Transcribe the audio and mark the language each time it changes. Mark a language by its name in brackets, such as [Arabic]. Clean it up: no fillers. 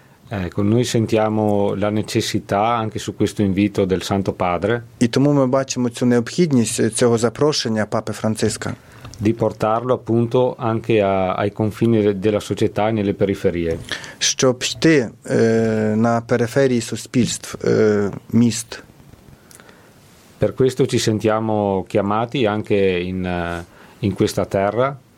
[Italian] Ecco, noi sentiamo la necessità anche su questo invito del Santo Padre. [Ukrainian] І тому ми бачимо цю необхідність цього запрошення Папи Франциска. [Italian] Di portarlo appunto anche ai confini della società e nelle periferie. [Ukrainian] Щоб йти на периферії суспільств, міст. [Italian] Per questo ci sentiamo chiamati anche in questa terra.